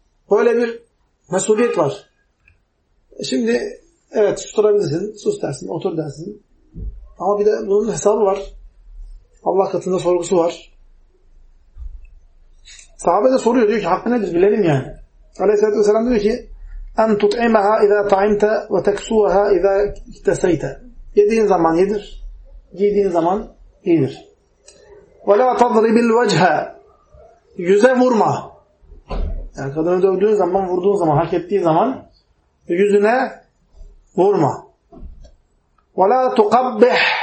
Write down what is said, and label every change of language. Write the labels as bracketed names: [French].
[Turkish] Böyle bir mesuliyet var. Şimdi evet susturabilirsin, sus dersin, otur dersin. Ama bir de bunun hesabı var. Allah katında sorgusu var. Sahabe de soruyor, diyor ki hakkı nedir bilelim yani. Aleyhisselatü vesselam diyor ki [Arabic] اَنْ تُطْعِمَهَا اِذَا تَعِمْتَ وَتَكْسُوَهَا اِذَا اِكْتَسَيْتَ. [Turkish] Yediğin zaman yedir, giydiğin zaman giydir. [Arabic] وَلَا تَضْرِبِ الْوَجْهَ. [Turkish] Yüze vurma. Yani kadını dövdüğün zaman, vurduğun zaman, hak ettiği zaman yüzüne vurma. [Arabic] وَلَا تُقَبِّحْ.